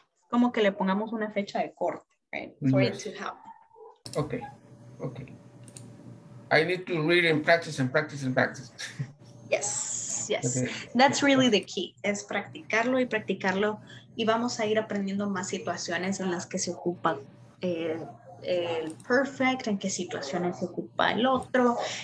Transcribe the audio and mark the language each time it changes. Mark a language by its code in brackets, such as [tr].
[es] Como que le pongamos una fecha de corte, right? [en] For yes. it to happen. Okay, okay. I need to read and practice and practice and practice. Yes, yes. Okay. That's really the key, [es] es practicarlo y practicarlo. Y vamos a ir aprendiendo más situaciones en las que se ocupa el perfect, en qué situaciones se ocupa el otro.